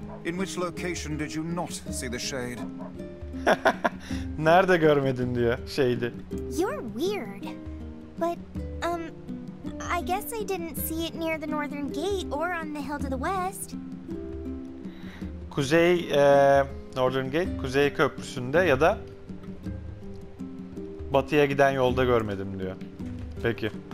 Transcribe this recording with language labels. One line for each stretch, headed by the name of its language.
English: In which location did you not see the shade?
Turkish: Nerede görmedin diyor şeydi.
English: You're weird. But I guess I didn't see it near the northern gate or on the hill to the west.
Turkish: Kuzey Northern Gate, Kuzey Köprüsü'nde ya da batıya giden yolda görmedim diyor. Peki.